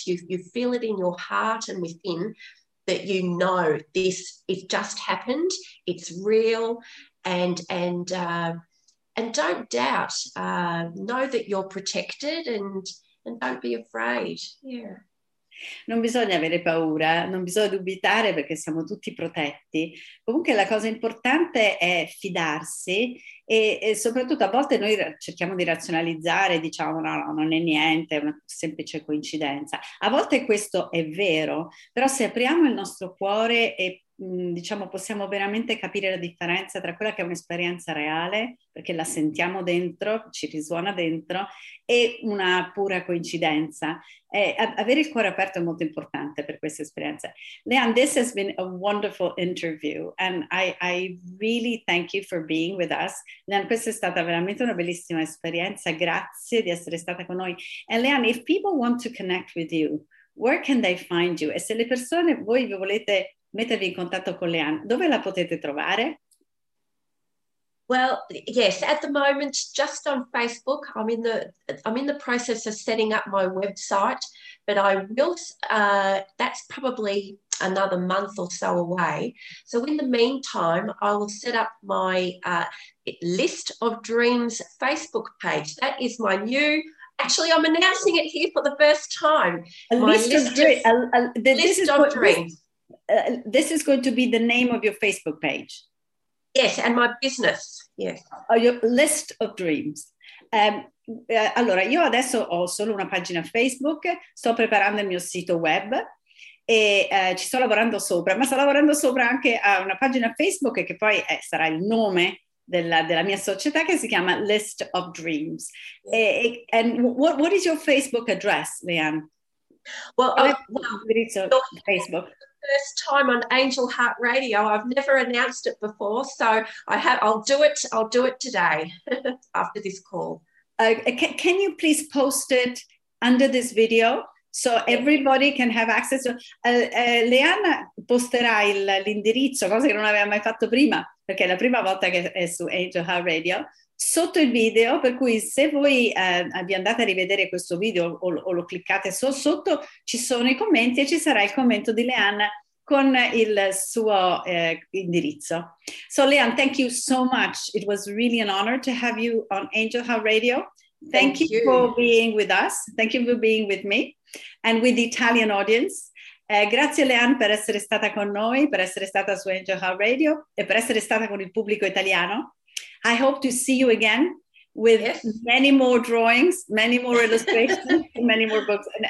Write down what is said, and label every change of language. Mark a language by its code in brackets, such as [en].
[en] You feel it in your heart and within that you know this. It just happened. It's real. And don't doubt. Know that you're protected, and don't be afraid. Yeah. [it] Non bisogna avere paura, non bisogna dubitare perché siamo tutti protetti. Comunque la cosa importante è fidarsi e soprattutto a volte noi cerchiamo di razionalizzare, diciamo no, non è niente, è una semplice coincidenza. A volte questo è vero, però se apriamo il nostro cuore e diciamo possiamo veramente capire la differenza tra quella che è un'esperienza reale, perché la sentiamo dentro, ci risuona dentro, e una pura coincidenza. Avere il cuore aperto è molto importante per questa esperienza. [en] Leanne, this has been a wonderful interview and I really thank you for being with us. [it] Leanne, questa è stata veramente una bellissima esperienza, grazie di essere stata con noi. [en] And Leanne, if people want to connect with you, where can they find you? [it] E se le persone, voi vi volete mettervi in contatto con Leanne, dove la potete trovare? [en] Well, yes, at the moment, just on Facebook. I'm in the process of setting up my website, but I will, that's probably another month or so away. So in the meantime, I will set up my List of Dreams Facebook page. That is my new, actually, I'm announcing it here for the first time. List of Dreams. This is going to be the name of your Facebook page. Yes, and my business. Yes. Your List of Dreams. [it] Allora, io adesso ho solo una pagina Facebook, sto preparando il mio sito web e ci sto lavorando sopra, ma sto lavorando sopra anche a una pagina Facebook che poi sarà il nome della mia società, che si chiama List of Dreams. [en] Yes. And what is your Facebook address, Leanne? Facebook. First time on Angel Heart Radio. I've never announced it before, so I'll do it today after this call. Can you please post it under this video so everybody can have access to [it] Leanne posterà l'indirizzo, cosa che non aveva mai fatto prima, perché è la prima volta che è su Angel Heart Radio, sotto il video, per cui se voi vi andate a rivedere questo video o lo cliccate sotto, ci sono i commenti e ci sarà il commento di Leanne con il suo indirizzo. [en] So Leanne, thank you so much. It was really an honor to have you on Angel Heart Radio. Thank you for being with us. Thank you for being with me and with the Italian audience. [it] Grazie Leanne per essere stata con noi, per essere stata su Angel Heart Radio e per essere stata con il pubblico italiano. [en] I hope to see you again with many more drawings, many more illustrations, many more books.